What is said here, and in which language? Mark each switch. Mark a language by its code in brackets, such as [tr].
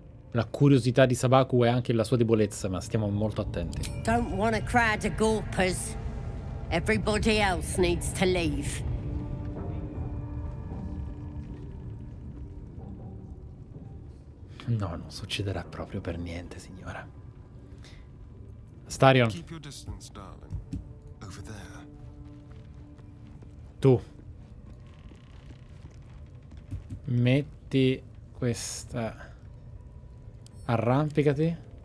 [it] La curiosità di Sabaku è anche la sua debolezza, ma stiamo molto attenti. [en] Don't wanna cry to gawpers. Everybody else needs to leave. [it] No, non succederà proprio per niente, signora. Starion. [en] Keep your distance, darling. Over there. [it] Tu. Metti questa. Arrampicati.